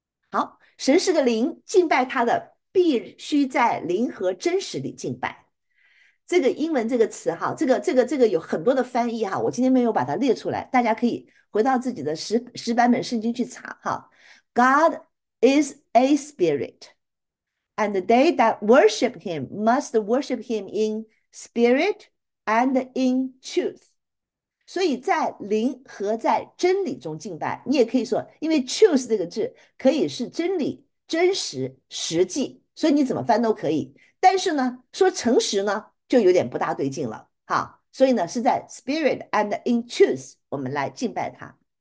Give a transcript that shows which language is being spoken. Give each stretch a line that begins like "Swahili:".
Chinese: 好，神是个灵，敬拜他的。必须在灵和真实里敬拜。这个英文这个词哈，这个有很多的翻译哈，我今天没有把它列出来，大家可以回到自己的十版本圣经去查哈。
English: God is a spirit, and they that worship him must worship him in spirit and in truth。
Chinese: 所以在灵和在真理中敬拜，你也可以说，因为 truth 这个字可以是真理、真实、实际。所以你怎么翻都可以，但是呢，说诚实呢就有点不大对劲了哈。所以呢，是在
English: spirit and in truth
Chinese: 我们来敬拜他。